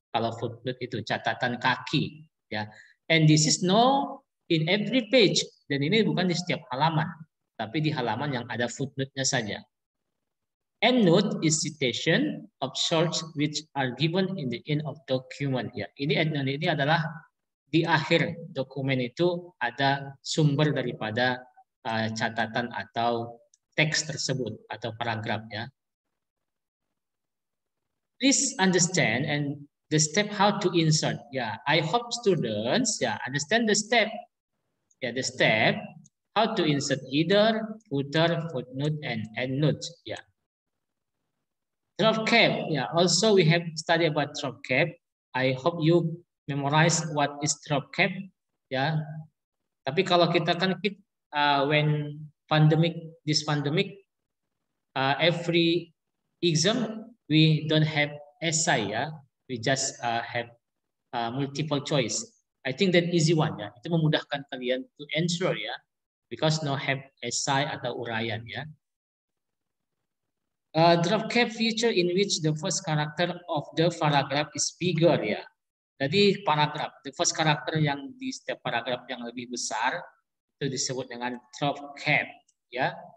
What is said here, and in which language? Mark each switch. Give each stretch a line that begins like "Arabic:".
Indonesian: Kalau footnote itu catatan kaki, ya.
English: And this is no in every page.
Indonesian: Dan ini bukan di setiap halaman, tapi di halaman yang ada footnote-nya saja.
English: Endnote is citation of sorts which are given in the end of document.
Indonesian: Ya, ini endnote ini adalah di akhir dokumen itu ada sumber daripada catatan atau teks tersebut atau paragrafnya.
English: Please understand and the step how to insert. Yeah, I hope students understand the step. Yeah, the step how to insert header, footer, footnote, and endnote. Yeah. Drop cap. Yeah. Also, we have studied about drop cap. I hope you memorize what is drop cap. Yeah.
Indonesian: Tapi kalau kita kan
English: when pandemic this pandemic, every exam we don't have essay. Yeah. We just have multiple choice. I think that easy one ya.
Indonesian: Itu memudahkan kalian
English: to answer ya, because no have essay
Indonesian: atau uraian
English: ya. Drop cap feature in which the first character of the paragraph is bigger ya.
Indonesian: Jadi paragraf,
English: the first character
Indonesian: yang di setiap paragraf yang lebih besar itu disebut dengan drop cap ya.